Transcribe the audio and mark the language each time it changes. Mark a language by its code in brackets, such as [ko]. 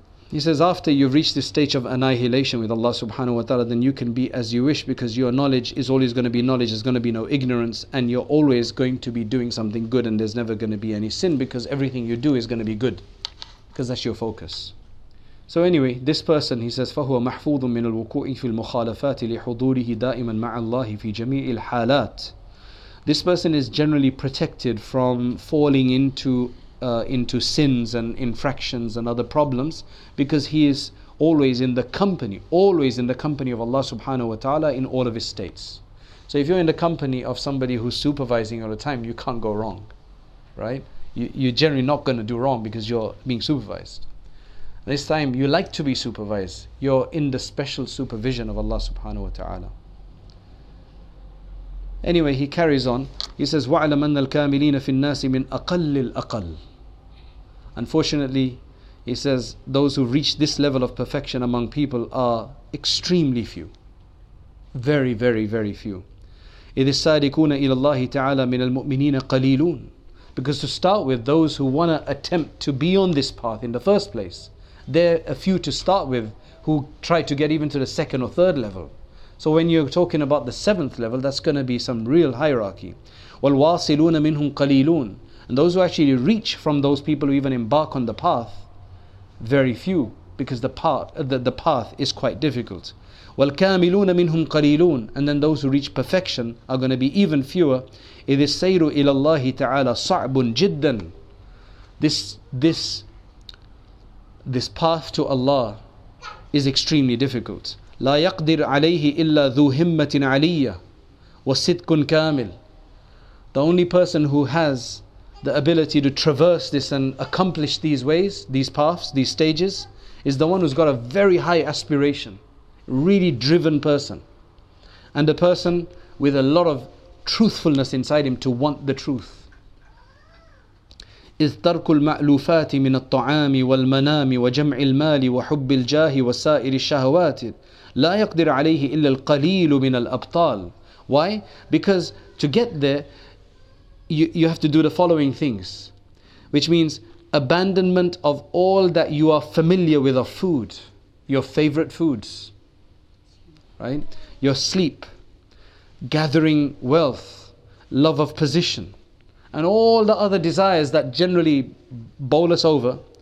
[en] He says, after you've reached this stage of annihilation with Allah subhanahu wa ta'ala, then you can be as you wish, because your knowledge is always going to be knowledge, there's going to be no ignorance, and you're always going to be doing something good, and there's never going to be any sin, because everything you do is going to be good, because that's your focus. So anyway, this person, he says, [ar] فَهُوَ مَحْفُوظٌ مِنَ الْوُقُوعِ فِي الْمُخَالَفَاتِ لِحُضُورِهِ دَائِمًا مَعَ اللَّهِ فِي جَمِيعِ الْحَالَاتِ. [en] this person is generally protected from falling into sins and infractions and other problems, because he is always in the company of Allah subhanahu wa ta'ala in all of his states. So if you're in the company of somebody who's supervising all the time, you can't go wrong, right? You're generally not going to do wrong because you're being supervised. This time you like to be supervised, you're in the special supervision of Allah subhanahu wa ta'ala. Anyway, he carries on. He says, [ar] وَعْلَمْ أَنَّ الْكَامِلِينَ فِي النَّاسِ مِنْ أَقَلِّ الْأَقَلِّ. [en] Unfortunately, he says, those who reach this level of perfection among people are extremely few. Very, very, very few. [ar] إِذِ السَّادِكُونَ إِلَى اللَّهِ تَعَالَى مِنَ الْمُؤْمِنِينَ قَلِيلُونَ. [en] Because to start with, those who want to attempt to be on this path in the first place, they're a few to start with who try to get even to the second or third level. So when you're talking about the seventh level, that's going to be some real hierarchy. [ar] وَالْوَاصِلُونَ مِنْهُمْ قَلِيلُونَ. [en] And those who actually reach from those people who even embark on the path, very few, because the path is quite difficult. [ar] وَالْكَامِلُونَ مِنْهُمْ قَلِيلُونَ. [en] And then those who reach perfection are going to be even fewer. [ar] إِذِ السَّيْرُ إِلَى اللَّهِ تَعَالَى صَعْبٌ جِدًّا. [en] This path to Allah is extremely difficult. [ar] لا يقدر عليه إلا ذو همة عليا وصدق كامل. [en] The only person who has the ability to traverse this and accomplish these ways, these paths, these stages, is the one who's got a very high aspiration, really driven person, and a person with a lot of truthfulness inside him to want the truth. [ar] إذ ترك المألوفات من الطعام والمنام وجمع المال وحب الجاه وسائر الشهوات لا يقدر عليه إلا القليل من الأبطال. [en] Why? Because to get there, you have to do the following things, which means abandonment of all that you are familiar with of food, your favorite foods, right? Your sleep, gathering wealth, love of position, and all the other desires that generally bowl us over.